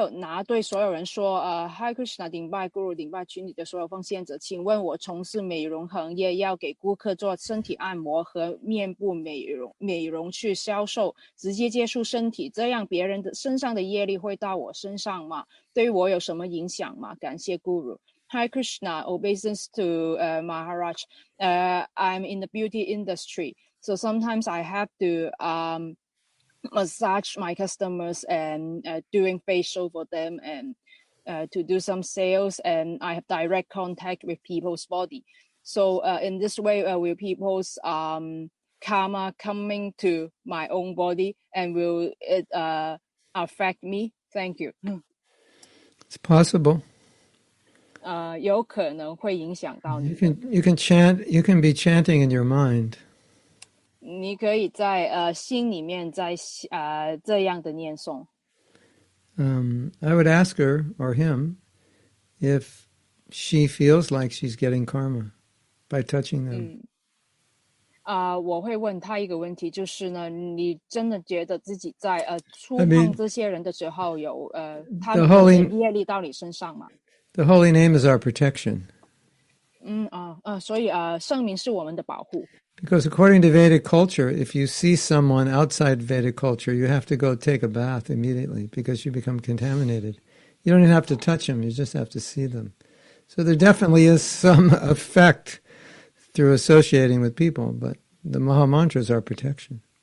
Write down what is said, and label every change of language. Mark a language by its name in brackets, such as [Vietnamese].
[Chinese] 七八八二四八对所有人说，为什么不能够？我讲这个问题好像已经回答了，为什么不能够吃太多甜品？还有拿对所有人说，Hi Krishna, 顶拜Guru，顶拜群里的所有奉献者，请问我从事美容行业，要给顾客做身体按摩和面部美容去销售，直接接触身体，这样别人的身上的业力会到我身上吗？对我有什么影响吗？感谢 Guru。 [English] Hi Krishna, obeisance to Maharaj. I'm in the beauty industry, so sometimes I have to massage my customers and doing facial for them and to do some sales, and I have direct contact with people's body. So in this way, will people's karma coming to my own body, and will it affect me? Thank you. It's possible. You can chant, you can be chanting in your mind. [Chinese] 你可以在心里面这样的念诵。 [English] I would ask her or him if she feels like she's getting karma by touching them. [Chinese] 我会问他一个问题，就是呢，你真的觉得自己在触碰这些人的时候有他们的业力到你身上吗？ [English] The holy name is our protection. [Chinese] 所以圣名是我们的保护。 [English] Because according to Vedic culture, if you see someone outside Vedic culture, you have to go take a bath immediately because you become contaminated. You don't even have to touch them, you just have to see them. So there definitely is some effect through associating with people, but the Maha Mantra is our protection.